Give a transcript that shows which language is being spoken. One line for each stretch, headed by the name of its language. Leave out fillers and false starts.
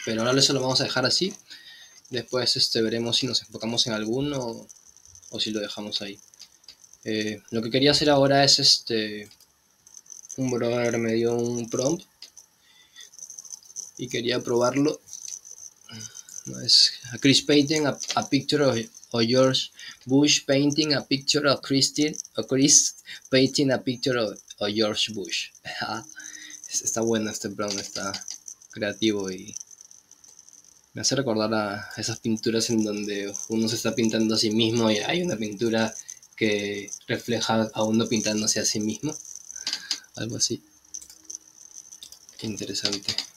Spanish: Pero ahora eso lo vamos a dejar así. Después veremos si nos enfocamos en alguno o si lo dejamos ahí. Lo que quería hacer ahora es un brother me dio un prompt y quería probarlo.
English: Es a Chris painting a picture of George Bush painting a picture of Christine, o Chris painting a picture of George Bush.
Spanish: Está bueno este prompt, está creativo y me hace recordar a esas pinturas en donde uno se está pintando a sí mismo y hay una pintura que refleja a uno pintándose a sí mismo. Algo así. Qué interesante.